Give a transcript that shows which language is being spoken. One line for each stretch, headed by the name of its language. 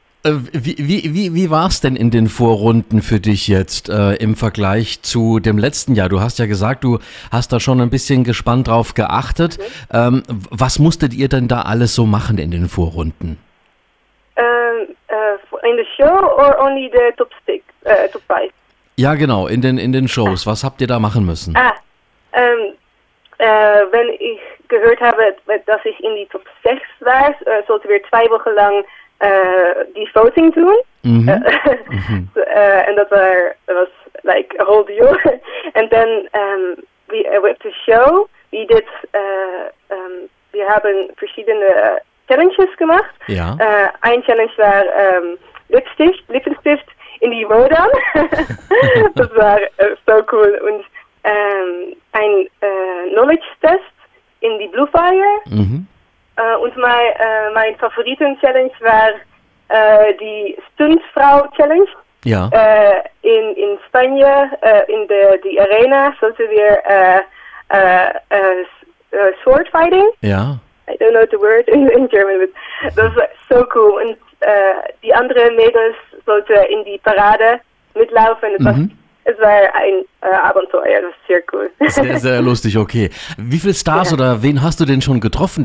German: Wie war es denn in den Vorrunden für dich jetzt im Vergleich zu dem letzten Jahr? Du hast ja gesagt, du hast da schon ein bisschen gespannt drauf geachtet. Mhm. Was musstet ihr denn da alles so machen in den Vorrunden?
English: In the show or only the top stick, top five?
German: Ja, genau, in den Shows. Was habt ihr da machen müssen? Wenn ich gehört habe, dass ich in die Top 6 war, sollten wir 2 Wochen lang die Voting tun. Mhm.
English: And that was like a whole deal. And then with the show,
German: wir haben verschiedene Challenges gemacht. Ja. Ein Challenge war Lippenstift in die Wodan. Das war so cool. Und ein Knowledge-Test in die Blue Fire. Mhm. Und mein Favoriten-Challenge war die Stuntfrau-Challenge. Ja. In Spanje, in die Arena, sollten wir Sword Fighting. Ja.
English: I don't know the word in German, but
German: das war so cool. Und die anderen Mädels sollten in die Parade mitlaufen. Es war ein Abenteuer, das ist sehr cool. Sehr, sehr lustig, okay. Wie viele Stars oder wen hast du denn schon getroffen?